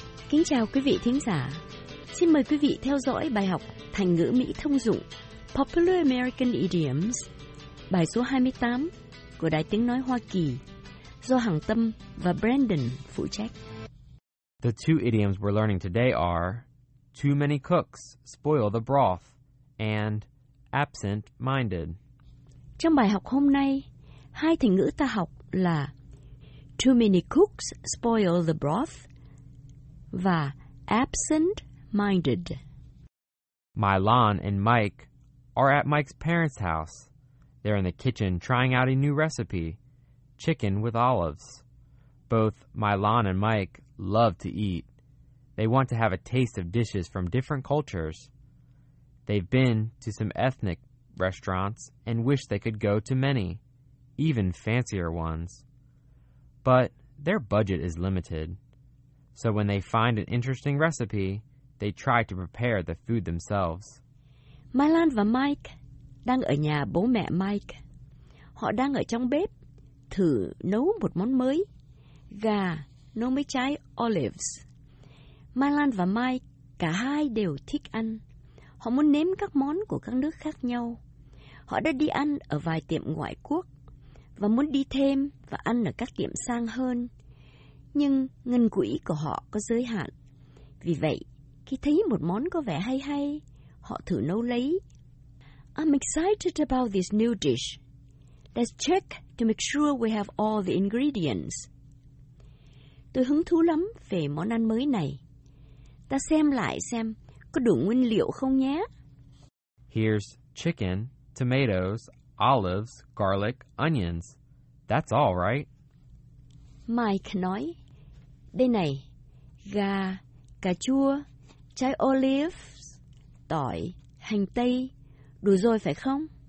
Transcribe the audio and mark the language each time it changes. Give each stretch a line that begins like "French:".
Vietnamese: Kính chào quý vị thính giả. Xin mời quý vị theo dõi bài học thành ngữ Mỹ thông dụng Popular American Idioms, bài số 28 của Đài Tiếng Nói Hoa Kỳ, do Hằng Tâm và Brandon phụ trách.
English: The two idioms we're learning today are too many cooks spoil the broth and absent-minded.
Vietnamese: Trong bài học hôm nay, hai thành ngữ ta học là
English: too many cooks spoil the broth
Vietnamese: và absent-minded.
English: Mylon and Mike are at Mike's parents' house. They're in the kitchen trying out a new recipe, chicken with olives. Both Mylon and Mike love to eat. They want to have a taste of dishes from different cultures. They've been to some ethnic restaurants and wish they could go to many, even fancier ones. But their budget is limited. So when they find an interesting recipe, they try to prepare the food themselves.
Vietnamese: Mylon và Mike đang ở nhà bố mẹ Mike. Họ đang ở trong bếp thử nấu một món mới, gà nấu mấy trái olives. Mylon và Mike cả hai đều thích ăn. Họ muốn nếm các món của các nước khác nhau. Họ đã đi ăn ở vài tiệm ngoại quốc và muốn đi thêm và ăn ở các tiệm sang hơn. Nhưng ngân quỹ của họ có giới hạn. Vì vậy, khi thấy một món có vẻ hay hay, họ thử nấu lấy.
English: I'm excited about this new dish. Let's check to make sure we have all the ingredients.
Vietnamese: Tôi hứng thú lắm về món ăn mới này. Ta xem lại xem có đủ nguyên liệu không nhé.
English: Here's chicken, tomatoes, olives, garlic, onions. That's all, right?
Vietnamese: Mike nói, đây này, gà, cà chua, trái olives, tỏi, hành tây, đủ rồi phải không?